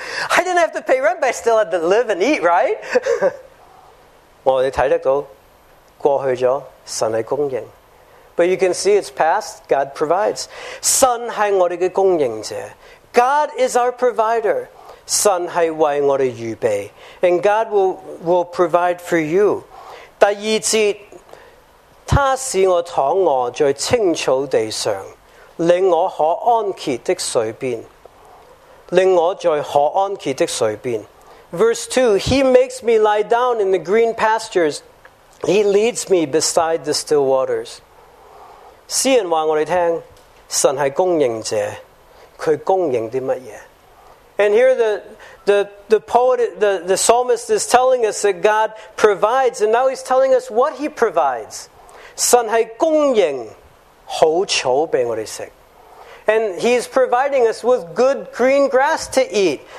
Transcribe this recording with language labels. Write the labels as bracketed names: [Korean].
[English] I didn't have to pay rent, but I still had to live and eat, right? [Chinese] 我哋睇得到过去咗，神系供应。 [English] But you can see it's past, God provides. [Chinese] 神是我们的供应者。 [English] God is our provider. [Chinese] 神是为我们预备, [English] and God will provide for you. [Chinese] 第二节,他使我躺卧在清草地上,令我可安歇的水边。 [English] Verse 2, He makes me lie down in the green pastures. He leads me beside the still waters. [Chinese] 诗人告诉我们,神是供应者, 他供应的什么? [English] And here the psalmist is telling us that God provides, and now he's telling us what he provides. [Chinese] 神是供应好草给我们吃。 [English] And he's providing us with good green grass to eat.